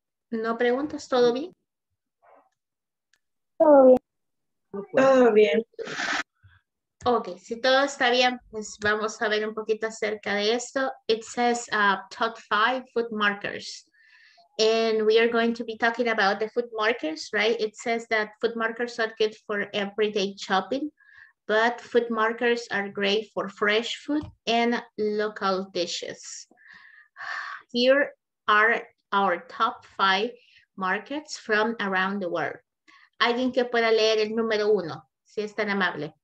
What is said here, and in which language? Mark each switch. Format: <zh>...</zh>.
<es>No preguntas, ¿todo bien? Todo bien. Todo bien. Ok, si todo está bien, pues vamos a ver un poquito acerca de esto.</es> <en>It says top five food markers. And we are going to be talking about the food markers, right? It says that food markers are good for everyday shopping, but food markers are great for fresh food and local dishes. Here are our top five markets from around the world.</en> <es>Alguien que pueda leer el número uno, si es tan amable.</es>